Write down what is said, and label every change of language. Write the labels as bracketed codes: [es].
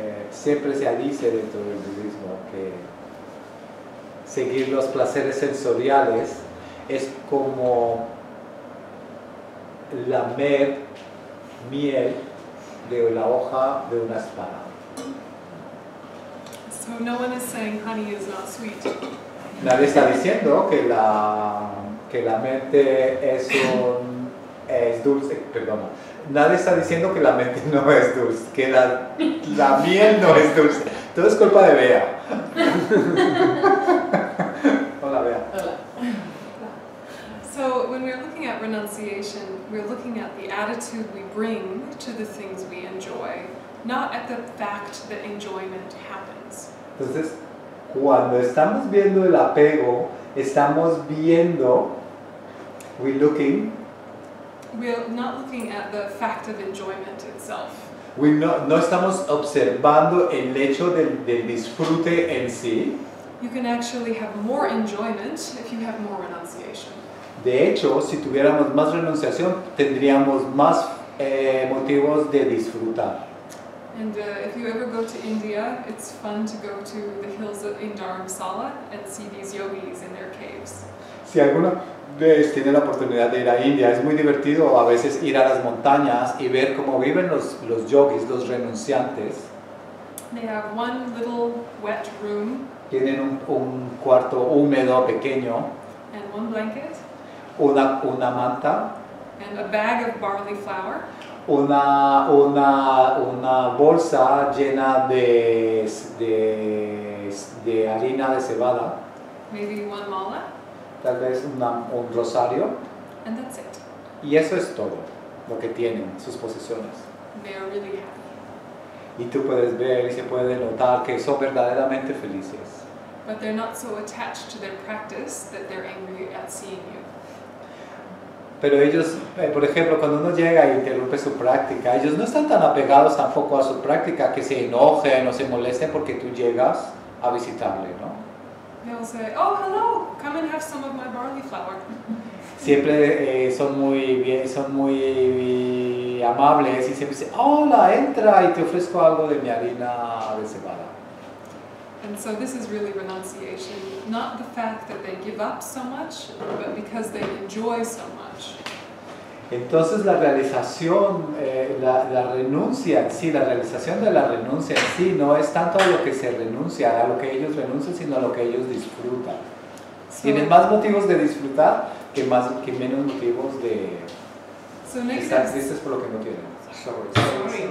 [es] Siempre se dice dentro del budismo que seguir los placeres sensoriales es como lamer miel de la hoja de una espada. [en] So no one is saying honey is not sweet. [es] Nadie está diciendo que la mente es dulce, perdón, nadie está diciendo que la mente no es dulce, que la miel no es dulce. Todo es culpa de Bea. Hola, Bea. Hola. [en] So when we're looking at renunciation, we're looking at the attitude we bring to the things we enjoy, not at the fact that enjoyment happens. [es] Entonces, cuando estamos viendo el apego, estamos viendo, [en] we're not looking at the fact of enjoyment itself. [es] No estamos observando el hecho del disfrute en sí. [en] You can actually have more enjoyment if you have more renunciation. [es] De hecho, si tuviéramos más renunciación, tendríamos más motivos de disfrutar. [en] And if you ever go to India, it's fun to go to the hills in Dharamsala and see these yogis in their caves. [es] Si alguna vez tiene la oportunidad de ir a India, es muy divertido a veces ir a las montañas y ver cómo viven los yogis, los renunciantes. [en] They have one little wet room. [es] Tienen un cuarto húmedo pequeño. [en] And one blanket. [es] Una manta. [en] And a bag of barley flour. [es] Una bolsa llena de harina de cebada. [en] Maybe one mala. [es] Tal vez un rosario. [en] And that's it. [es] Y eso es todo lo que tienen, sus posesiones. [en] They are really happy. [es] Y tú puedes ver y se puede notar que son verdaderamente felices. [en] But they're not so attached to their practice that they're angry at seeing you. [es] Pero ellos, por ejemplo, cuando uno llega e interrumpe su práctica, ellos no están tan apegados tampoco a su práctica, que se enojen o se molesten porque tú llegas a visitarle, ¿no? [en] They'll say, oh, hello, come and have some of my barley flour. [es] Siempre son muy amables y siempre dicen, hola, entra y te ofrezco algo de mi harina de cebada. [en] And so this is really renunciation, not the fact that they give up so much, but because they enjoy so much. [es] Entonces la realización, la renuncia en sí, la realización de la renuncia en sí, no es tanto a lo que se renuncia, a lo que ellos renuncian, sino a lo que ellos disfrutan. So, tienen más motivos de disfrutar que menos motivos de estar tristes por lo que no tienen.